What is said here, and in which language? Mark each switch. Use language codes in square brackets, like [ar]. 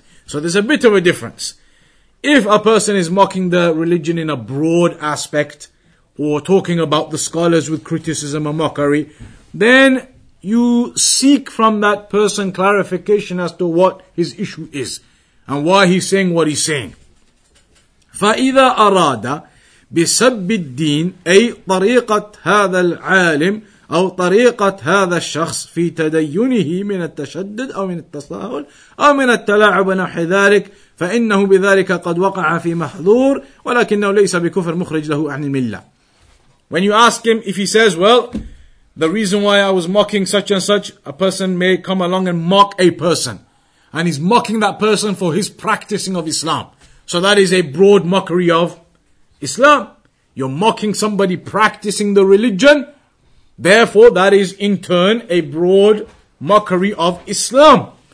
[en] So there's a bit of a difference. If a person is mocking the religion in a broad aspect or talking about the scholars with criticism or mockery, then you seek from that person clarification as to what his issue is and why he's saying what he's saying. [ar] فإذا أراد بسب الدين أي طريقة هذا العالم أو طريقة هذا الشخص في تدينه من التشدد أو من التساهل أو من التلاعب نحو ذلك فإنه بذلك قد وقع في محظور ولكنه ليس بكفر مخرج له عن الملة. [en] When you ask him if he says, well, the reason why I was mocking such and such, a person may come along and mock a person. And he's mocking that person for his practicing of Islam. So that is a broad mockery of Islam. You're mocking somebody practicing the religion. Therefore, that is in turn a broad mockery of Islam.